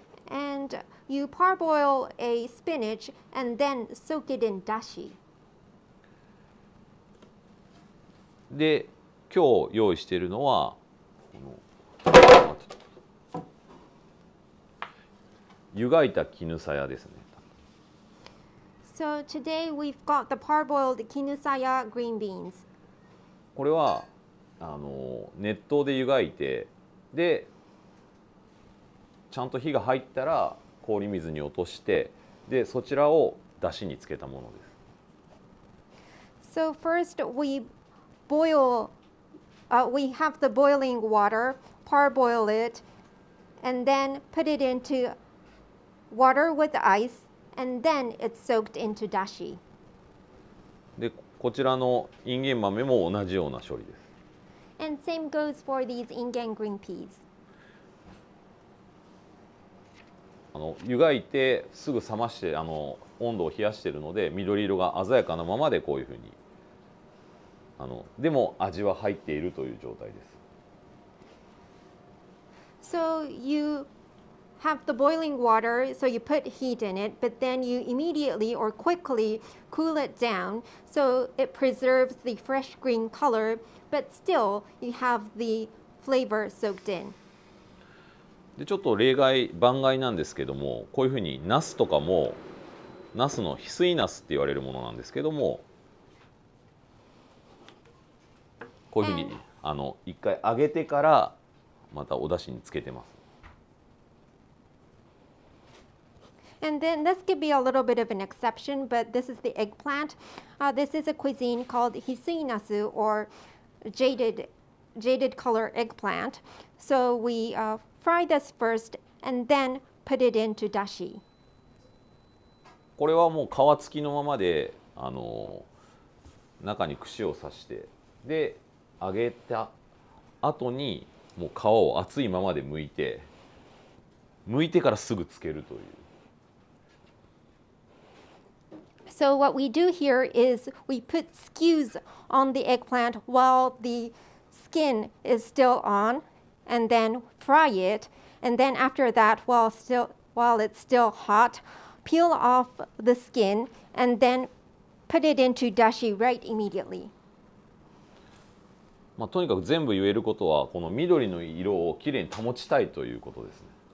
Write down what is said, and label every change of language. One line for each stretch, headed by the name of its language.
English: And you parboil a spinach and then soak it in dashi.
Japanese: で、今日用意しているのはこの湯がいた絹さやですね。
English: So today we've got the parboiled kinusaya green beans.
Japanese: これはあの熱湯で湯がいて、でちゃんと火が入ったら氷水に落として、でそちらをだしにつけたものです。
English: So first we boil, we have the boiling water, parboil it, and then put it into water with ice. And then it's soaked into dashi.
Japanese: で、こちらのインゲン豆も同じような処理です。
English: And same goes for these ingen green peas.
Japanese: あの、湯がいてすぐ冷まして、あの、温度を冷やしているので、緑色が鮮やかなままでこういうふうに。あの、でも味は入っているという状態です。
English: So you... Have the boiling water, so you put heat in it, but then you immediately or quickly cool it down, so it preserves the fresh green color, but still you have the flavor soaked in.
Japanese: で、ちょっと例外、番外なんですけども、こういうふうにナスとかもナスの翡翠ナスって言われるものなんですけども、こういうふうに、一回揚げてからまたお出汁につけてます。
English: And then this could be a little bit of an exception, but this is the eggplant. This is a cuisine called hisui nasu or jaded color eggplant. So we fry this first and then put it into dashi.
Japanese: これはもう皮付きのままで、中に串を刺して、で、揚げた後にもう皮を熱いままで剥いて、剥いてからすぐ漬けるという。
English: So what we do here is we put skews on the eggplant while the skin is still on and then fry it and then after that while it's still hot peel off the skin and then put it into dashi right immediately.
Japanese: まあとにかく全部言えることはこの緑の色をきれいに保ちたいということですね。